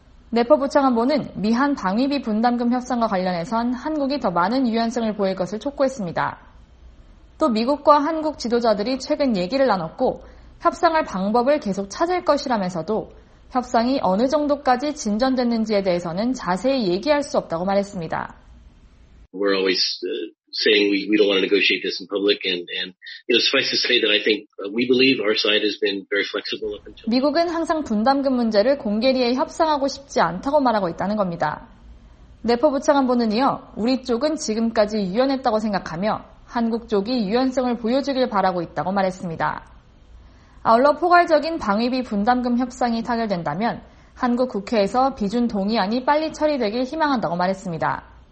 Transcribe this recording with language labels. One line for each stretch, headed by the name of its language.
Korean: 네퍼 부차관보는 미한 방위비 분담금 협상과 관련해선 한국이 더 많은 유연성을 보일 것을 촉구했습니다. 또 미국과 한국 지도자들이 최근 얘기를 나눴고 협상할 방법을 계속 찾을 것이라면서도 협상이 어느 정도까지 진전됐는지에 대해서는 자세히 얘기할 수 없다고 말했습니다.
English: We're always saying we don't want to negotiate this in public and you know suffice to say that I think we believe our side has been very flexible up until
Korean: 미국은 항상 분담금 문제를 공개리에 협상하고 싶지 않다고 말하고 있다는 겁니다. 네퍼 부차관보는 이어 우리 쪽은 지금까지 유연했다고 생각하며 한국 쪽이 유연성을 보여주길 바라고 있다고 말했습니다. 아울러 포괄적인 방위비 분담금 협상이 타결된다면 한국 국회에서 비준 동의안이 빨리 처리되길 희망한다고 말했습니다.